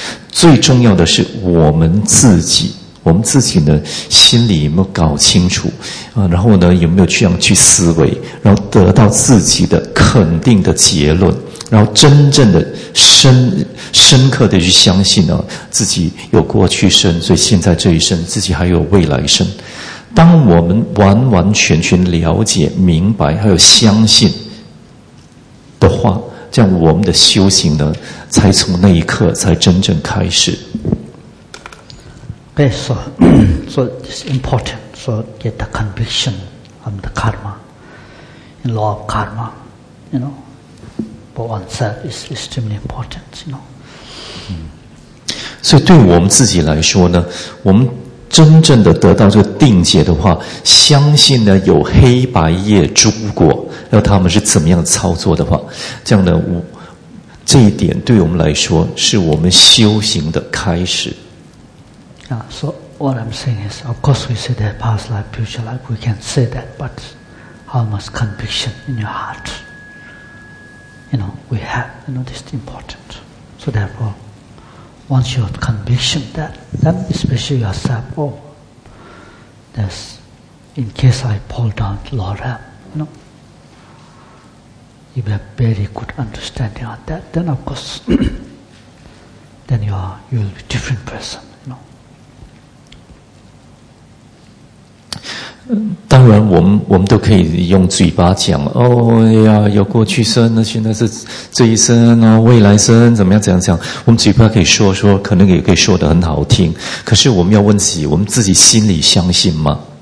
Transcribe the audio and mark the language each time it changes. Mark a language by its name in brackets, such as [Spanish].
[Chinese] 最重要的是我们自己，我们自己呢心里有没有搞清楚、然后呢有没有这样去思维，然后得到自己的肯定的结论，然后真正的深刻的去相信呢、自己有过去生，所以现在这一生自己还有未来生。当我们完完全全了解明白还有相信的话，这样我们的修行呢才从那一刻才真正开始。 [English] Okay, so, so it's important to、so、get the conviction of the karma, the law of karma, you know, for oneself is extremely important, you know.、 [Chinese] 所以对我们自己来说呢，我们真正的得到这个定解的话，相信呢有黑白业诸果，要他们是怎么样操作的话，这样呢，这一点对我们来说是我们修行的开始。 [English] So what I'm saying is, of course we say that past life, future life, we can say that, but how much conviction in your heart, you know, we have, you know, this is important. So therefore, once you have conviction that, then especially yourself, oh, that's, in case I fall down to Lord Ram, you know, you have very good understanding on that, then of course, then you will be a different person. [Chinese] 当然我们都可以用嘴巴讲，哦呀，有过去生，那现在是这一生，未来生怎么样怎样讲，我们嘴巴可以说可能也可以说得很好听，可是我们要问自己，我们自己心里相信吗？